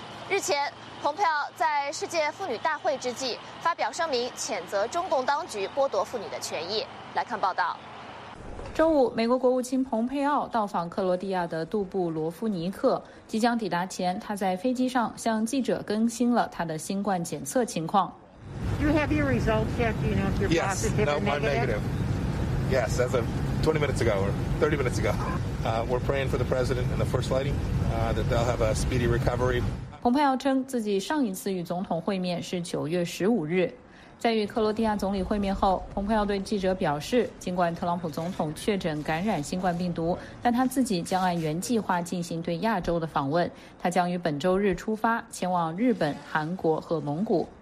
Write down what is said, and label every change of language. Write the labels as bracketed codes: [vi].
[zh] 日前，蓬佩奥在世界妇女大会之际发表声明，谴责中共当局剥夺妇女的权益。来看报道。周五，美国国务卿蓬佩奥到访克罗地亚的杜布罗夫尼克，即将抵达前，他在飞机上向记者更新了他的新冠检测情况。 [en] You have your results yet? Do you know if you're positive or negative? Yes, no, I'm negative. Yes, as of 20 minutes ago or 30 minutes ago. We're praying for the president and the first lady that they'll have a speedy recovery. [zh] 蓬佩奥称自己上一次与总统会面是9月15日。在与克罗地亚总理会面后，蓬佩奥对记者表示，尽管特朗普总统确诊感染新冠病毒，但他自己将按原计划进行对亚洲的访问。他将于本周日出发，前往日本、韩国和蒙古。